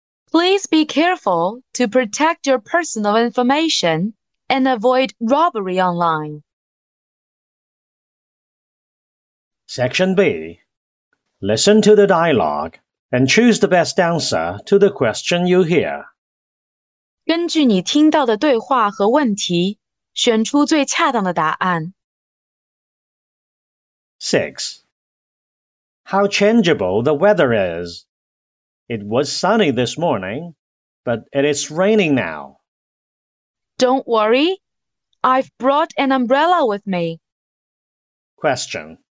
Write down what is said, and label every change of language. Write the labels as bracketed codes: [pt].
[en] Please be careful to protect your personal information and avoid robbery online. Section B. Listen to the dialogue and choose the best answer to the question you hear. [zh] 根据你听到的对话和问题，选出最恰当的答案。 [en] 6. How changeable the weather is. It was sunny this morning, but it is raining now. Don't worry, I've brought an umbrella with me. Question.